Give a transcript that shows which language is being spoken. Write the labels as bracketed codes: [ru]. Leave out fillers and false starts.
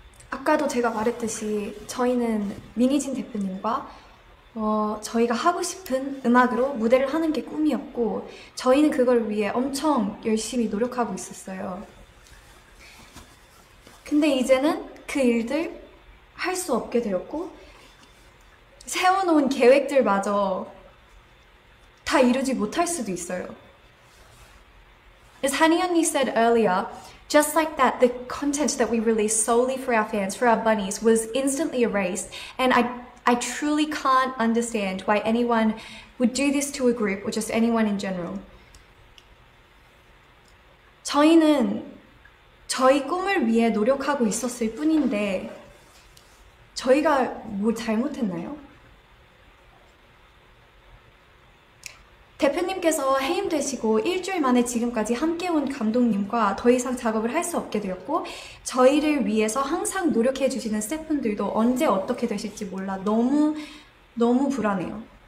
[ko] 아까도 제가 말했듯이 저희는 민희진 대표님과 저희가 하고 싶은 음악으로 무대를 하는 게 꿈이었고 저희는 그걸 위해 엄청 열심히 노력하고 있었어요. 근데 이제는 그 일들 할 수 없게 되었고 세워놓은 계획들마저 다 이루지 못할 수도 있어요. [en] As Honey Honey said earlier, just like that, the content that we released solely for our fans, for our bunnies, was instantly erased. And I truly can't understand why anyone would do this to a group or just anyone in general. [ko] 저희는 저희 꿈을 위해 노력하고 있었을 뿐인데 저희가 뭘 잘못했나요? 대표님께서 해임되시고 일주일 만에 지금까지 함께 온 감독님과 더 이상 작업을 할 수 없게 되었고 저희를 위해서 항상 노력해 주시는 스태프분들도 언제 어떻게 되실지 몰라 너무 너무 불안해요.